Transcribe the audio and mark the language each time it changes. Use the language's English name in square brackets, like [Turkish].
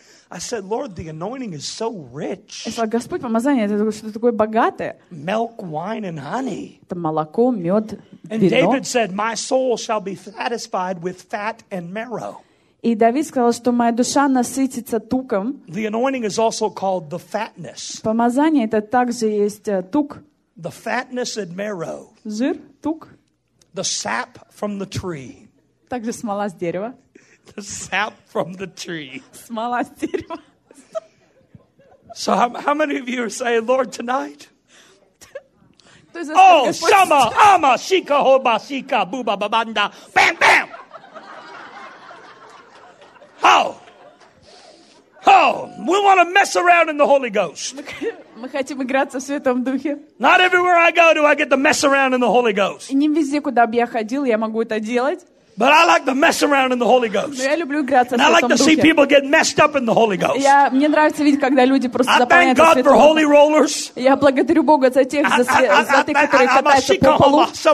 [English] I said, Lord, the anointing is so rich. [Russian] Я сказал, Господь, помазание это что-то такое богатое. [English] Milk, wine, and honey. [Russian] Это молоко, мед, вино. [English] And David said, my soul shall be satisfied with fat and marrow. [Russian] И Давид сказал, что моя душа насытится туком. [English] The anointing is also called the fatness. [Russian] Помазание это также есть тук. [English] The fatness and marrow. [Russian] Жир, тук. [English] The sap from the tree. [Russian] Также смола с дерева. [English] The sap from the tree. [Russian] Смола с дерева. [English] So how many of you are saying, Lord, tonight? Oh, shama, ama, shika, hoba, shika, buba, babanda, bam, bam. We want to mess around in the Holy Ghost. [Russian] Мы хотим играться в Святом Духе. [English] Not everywhere I go do I get to mess around in the Holy Ghost. [Russian] Не везде, куда бы я ходил, я могу это делать. [English] But I like to mess around in the Holy Ghost. [Russian] Но я люблю играться в Святом Духе. [English] And I like to see people get messed up in the Holy Ghost. [Russian] Я мне нравится видеть, когда люди просто заполняются Святым Духом. [English] I thank God for holy rollers. [Russian] Я благодарю Бога за тех, за те, которые катаются по полу.